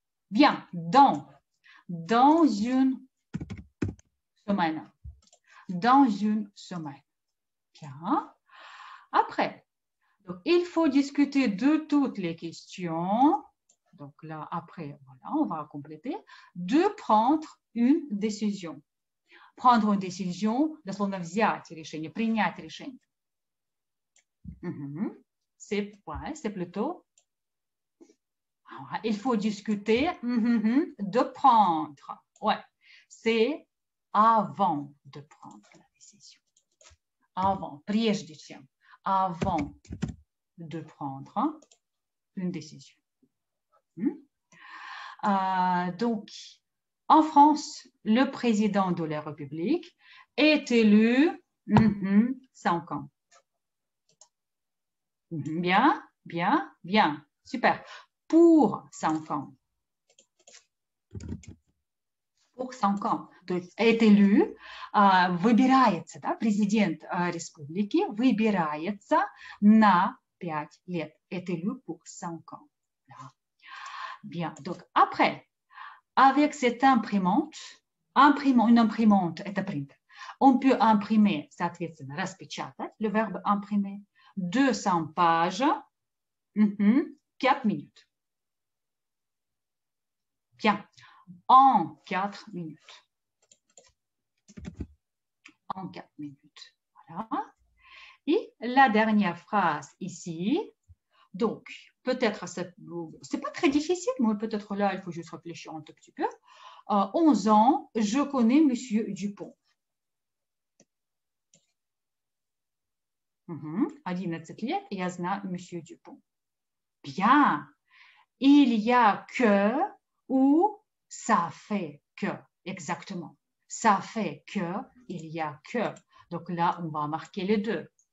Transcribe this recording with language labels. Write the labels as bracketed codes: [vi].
[fr] Bien. Dans une semaine. Dans une semaine. Bien. Après, donc, il faut discuter de toutes les questions. Donc là, après, voilà, on va compléter. De prendre une décision. Prendre une décision, [ru] дословно взять решение, принять решение. [fr] C'est ouais, c'est plutôt. Il faut discuter. De prendre. Ouais, c'est avant de prendre la décision. [ru] Avant, прежде чем. [fr] Avant de prendre une décision. Donc, en France, le président de la République est élu 5 ans. Bien, bien, bien, super. Pour 5 ans. Pour 5 ans. Donc, est élu, [ru] выбирается, да, президент республики выбирается на 5 лет. [fr] Est élu pour 5 ans. Bien. Donc après, avec cette une imprimante est imprimée. On peut imprimer, le verbe imprimer, 200 pages, 4 minutes. Bien. En 4 minutes. En 4 minutes. Voilà. Et la dernière phrase ici. Donc, peut-être, ce n'est pas très difficile, mais peut-être là, il faut juste réfléchir un tout petit peu. 11 ans, je connais Monsieur Dupont. [ru] 11 лет, я знаю Monsieur Dupont. [fr] Bien. Il y a que ou ça fait que, exactement. Ça fait que, il y a que. Donc là, on va marquer les deux.